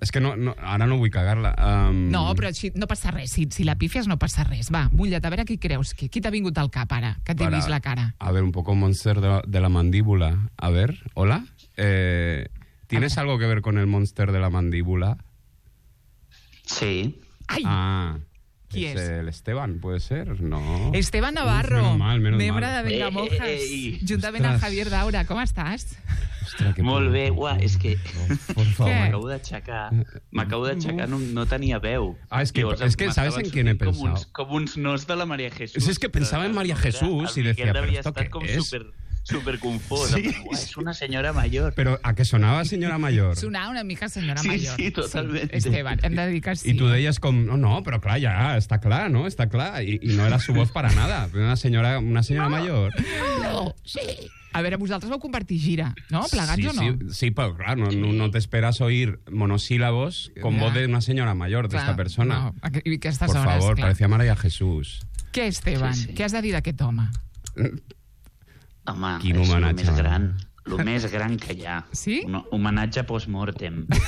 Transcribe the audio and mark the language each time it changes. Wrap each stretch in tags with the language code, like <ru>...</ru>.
<ca>És que ara no vull cagar-la. No, però així no passa res. Si la pifies, no passa res. Va, mullet, a veure qui creus. Qui t'ha vingut al cap ara, que t'he vist la cara? A veure,</ca> <es>un poco</es> <ca>monster de la mandíbula. A veure, hola.</ca> <es>¿Tienes algo que ver con el monster de la mandíbula? Sí. Ay. Ah.</es> <ca>¿Qui és?</ca> <es>El Esteban, puede ser, ¿no? Esteban Navarro. Menos mal.</es> <ca>Membre de Venga Monjas, juntament amb Javier Daura. Com estàs? Ostres, que... Molt bé, és que...</ca> <es>Por favor.</es> <ca>M'acabo d'aixecar. No tenia veu.</ca> <es>Ah,</es> <ca>és que,</ca> <es>¿sabes en quién he pensado?</es> <ca>Com uns nos de la María Jesús. És que pensava en María Jesús i</ca> <es>decía, ¿pero esto qué es? Súper confusa. Sí. Es una señora mayor. Pero ¿a qué sonaba señora mayor? Sonaba</es> <ca>una mica</ca> <es>señora mayor. Sí, totalmente.</es> <ca>Esteban, hem de dir que sí. I tu deies com... No, però clar, ja, està clar, no? Està clar.</ca> <es>I no era su voz para nada. Una señora mayor.</es> <ca>No, sí. A veure, vosaltres vau compartir gira, no? Plegats sí, o no?</ca> <es>Sí, sí,</es> <ca>però clar, no t'esperes</ca> <es>oír monosílabos con voz de una señora mayor, d'esta persona.</es> <ca>No, aquestes hores, clar.</ca> <es>Por favor, parecía María Jesús.</es> <ca>Què, Esteban? Sí, sí. Què has de dir d'aquest home? Home, quin homenatge. És el més gran que hi ha. Sí? Un homenatge post-mortem.</ca>